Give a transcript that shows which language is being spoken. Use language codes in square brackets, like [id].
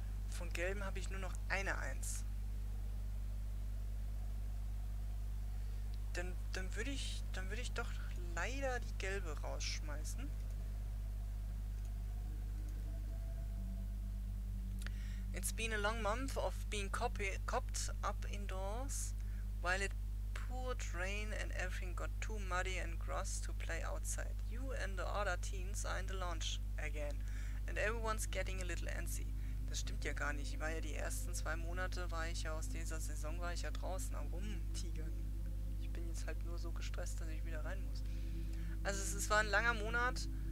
[de] Von gelben habe ich nur noch eine Eins. Dann würde ich doch leider die gelbe rausschmeißen. [en] It's been a long month of being copped up indoors, while it poured rain and everything got too muddy and gross to play outside. You and the other teens are in the lounge again, and everyone's getting a little antsy. [de] Das stimmt ja gar nicht. Ich war ja die ersten zwei Monate, war ich ja aus dieser Saison, war ich ja draußen am Rumtigern. Ich bin jetzt halt nur so gestresst, dass ich wieder rein muss. Also es war ein langer Monat.